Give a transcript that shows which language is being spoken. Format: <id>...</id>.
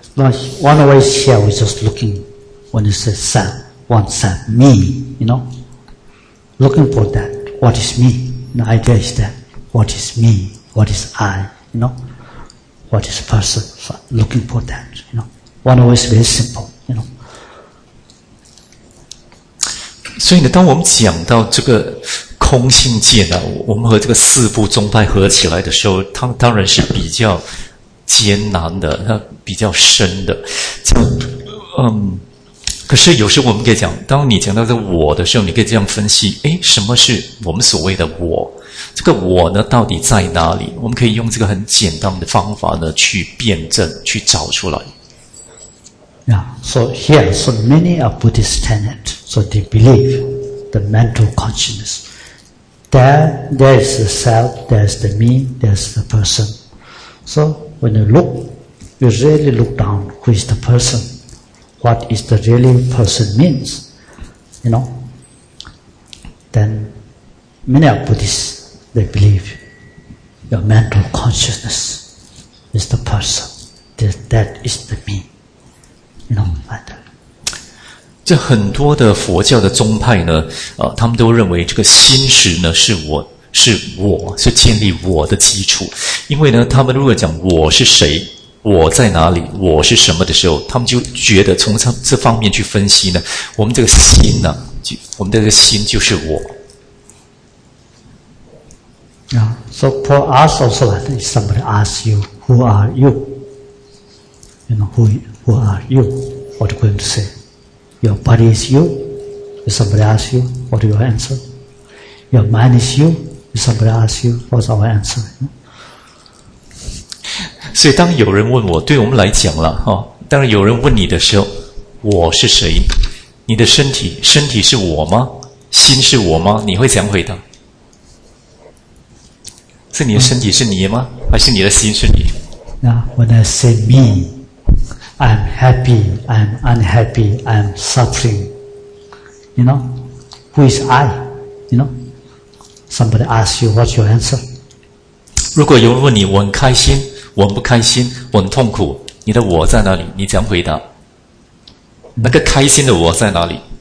<en>Now, one way here, we're just looking when you say self. Oneself, me, you know, looking for that, what is me? The idea is that, what is me, what is I, you know, what is a person, so looking for that, you know, one way is very simple, you know.</en> <zh>所以呢，当我们讲到这个空性见啊，我们和这个四部宗派合起来的时候，它当然是比较艰难的，它比较深的，就，可是有时候我们可以讲，当你讲到这我的时候，你可以这样分析，诶，什么是我们所谓的我？这个我呢，到底在哪里？我们可以用这个很简单的方法呢，去辨证，去找出来。</zh> <en>Yeah, so here, so many are Buddhist tenet, so they believe the mental consciousness. There is the self, there's the me, there's the person. So when you look, you really look down, who is the person? What is the really person means, you know? Then many of Buddhists, they believe your mental consciousness is the person, that is the me, you know, like that.</en> <zh>这很多的佛教的宗派呢、他们都认为这个心识呢是我是建立我的基础，因为呢他们如果讲我是谁，我在哪里，我是什么的时候，他们就觉得从这方面去分析呢，我们这个心呢、我们这个心就是我。</zh> <en>Yeah, so for us also, like somebody asks you, who are you? You know, who are you? What are you going to say? Your body is you? If somebody asks you, what is your answer? Your mind is you? If somebody asks you, what's our answer?</en> <zh>所以当有人问我，对我们来讲啦、当然有人问你的时候，我是谁？你的身体是我吗？心是我吗？你会怎样回答？是你的身体是你吗？还是你的心是你？</zh> <en>When I say me, I'm happy, I'm unhappy, I'm suffering. You know, who is I? You know, somebody asks you, what's your answer?</en> <zh>如果有人问你，我很开心我很不开心，我很痛苦，你的我在哪里？你怎样回答？那个开心的我在哪里？</zh>